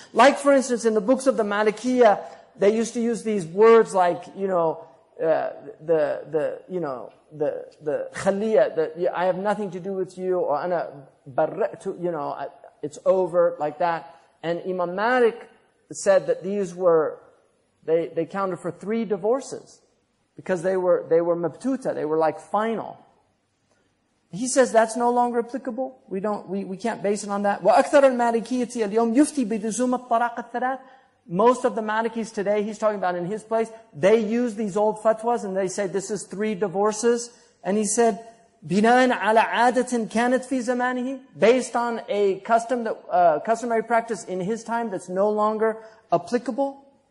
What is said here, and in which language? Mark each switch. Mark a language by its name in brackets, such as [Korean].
[English] Like, for instance, in the books of the Malikiyya, they used to use these words like, the خَلِيَّ, I have nothing to do with you, or [Arabic] أَنَا بَرَّئْتُ, [English] it's over, like that. And Imam Malik said that these were, they counted for three divorces because they were mabtuta, they were like final. He says that's no longer applicable. We can't base it on that. [Arabic] وأكثر المالكية اليوم يفتي بلزوم الطلاق الثلاث. [English] Most of the Malikis today, he's talking about in his place, they use these old fatwas and they say this is three divorces. And he said, [Arabic] بِنَانَ عَلَى عَادَةٍ كَانَتْ فِي زَمَانِهِ, [English] based on a custom that customary practice in his time that's no longer applicable.